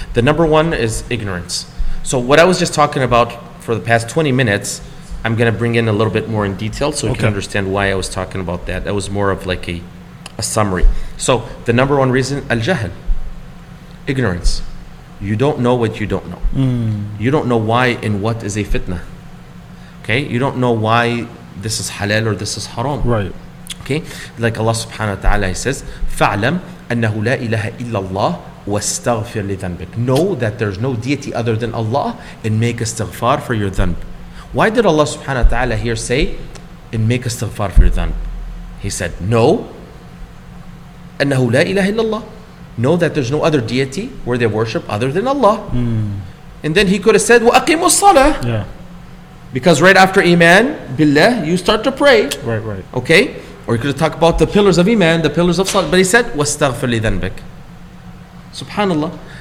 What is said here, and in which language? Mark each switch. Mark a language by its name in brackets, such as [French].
[English] The number one is ignorance. So what I was just talking about for the past 20 minutes, I'm going to bring in a little bit more in detail so you can understand why I was talking about that. That was more of like a summary. So the number one reason, al-jahl, ignorance. You don't know what you don't know. You don't know why and what is a fitna. Okay? You don't know why this is halal or this is haram. Right. Okay? Like Allah subhanahu wa ta'ala says, [Arabic] فَعْلَمْ أَنَّهُ لَا إِلَهَ إِلَّا اللَّهُ وَاسْتَغْفِرْ لِذَنْبِكَ. [English] Know that there's no deity other than Allah, and make istighfar for your dhanb. Why did Allah subhanahu wa ta'ala here say, and make istighfar for your dhanb? He said, know, [Arabic] أَنَّهُ لَا إِلَهَ إِلَّا اللَّهُ. [English] Know that there's no other deity where they worship other than Allah. And then he could have said, [Arabic] وَأَقِيمُ الصَّلَةِ. [English] Yeah. Because right after Iman, Billah, you start to pray. Right. Okay? Or you could talk about the pillars of Iman, the pillars of Salah. But he said, [Arabic] وَاسْتَغْفِرْ لِذَنْبِكَ. [English] Subhanallah.